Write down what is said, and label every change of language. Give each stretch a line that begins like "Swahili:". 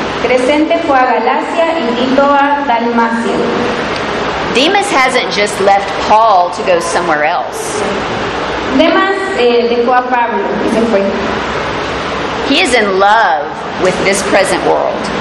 Spanish: Crescente fue a Galacia y Tito a Dalmacia.
English: Demas hasn't just left Paul to go somewhere else.
Spanish: Demas dejó a Pablo y se fue.
English: He is in love with this present world.